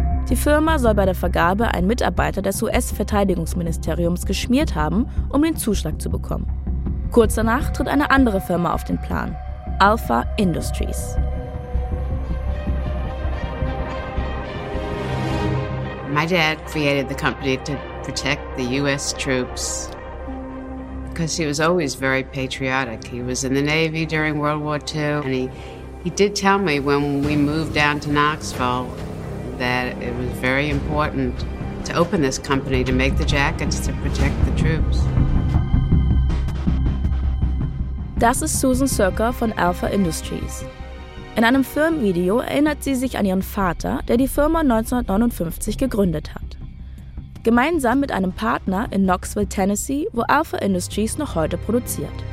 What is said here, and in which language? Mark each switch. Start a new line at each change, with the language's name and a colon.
German: Die Firma soll bei der Vergabe einen Mitarbeiter des US-Verteidigungsministeriums geschmiert haben, um den Zuschlag zu bekommen. Kurz danach tritt eine andere Firma auf den Plan, Alpha Industries.
English: My dad created the company to protect the U.S. troops because he was always very patriotic. He was in the Navy during World War II, and he did tell me when we moved down to Knoxville that it was very important to open this company to make the jackets to protect the troops.
German: Das ist Susan Circa von Alpha Industries. In einem Firmenvideo erinnert sie sich an ihren Vater, der die Firma 1959 gegründet hat. Gemeinsam mit einem Partner in Knoxville, Tennessee, wo Alpha Industries noch heute produziert.